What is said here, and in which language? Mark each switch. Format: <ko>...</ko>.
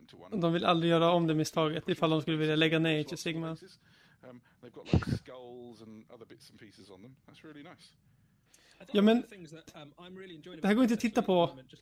<sv>De vill aldrig göra om det misstaget ifall de skulle vilja lägga ner 8th Sigma.</sv> <en>They've got like skulls and other bits and pieces on them. That's really nice.</en> <sv>Ja, men det här går inte att titta på.</sv>